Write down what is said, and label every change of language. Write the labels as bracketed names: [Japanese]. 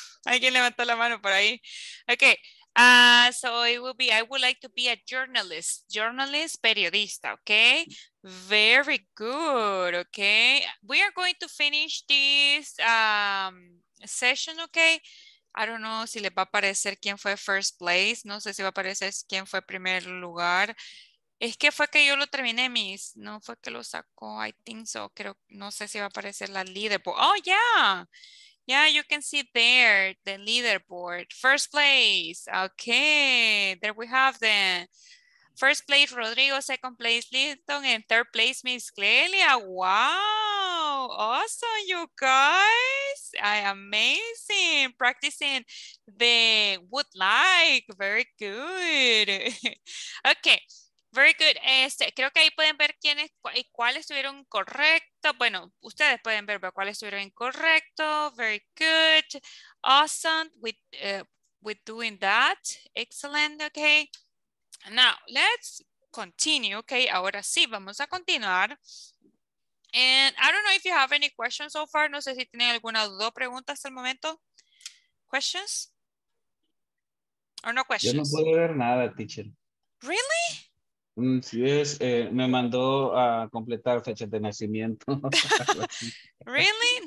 [Spanish] Alguien levantó la mano por ahí. [English] Okay. So it will be, I would like to be a journalist. Journalist, periodista, okay? Very good, okay? We are going to finish this session, okay? I don't know [Spanish] si le va a aparecer quién fue [English] first place. [Spanish] No sé si va a aparecer quién fue primer lugar. Es que fue que yo lo terminé, Miss. No fue que lo sacó. [English] I think so. [Spanish] Creo, no sé si va a aparecer la leaderboard. [English] Oh, yeah. Yeah, you can see there the leaderboard. First place. Okay. There we have them. First place, Rodrigo. Second place, Linton. And third place, Miss Clelia. Wow. Awesome, you guys. Amazing. Practicing the would like. Very good. Okay. Very good. [Spanish] Creo que ahí pueden ver quiénes y cuáles estuvieron correctos. Bueno, ustedes pueden ver cuáles estuvieron incorrectos. [English] Very good. Awesome. With doing that. Excellent. Okay. Now, let's continue. [Spanish] Okay. Ahora sí, vamos a continuar. [English] And I don't know if you have any questions so far. [Spanish] No sé si tienen alguna duda o pregunta hasta el momento. [English] Questions? Or no questions? [Spanish] Yo no puedo ver nada, teacher. [English] Really? [Spanish] Sí, es, me mandó a completar fechas de nacimiento. [English] Really?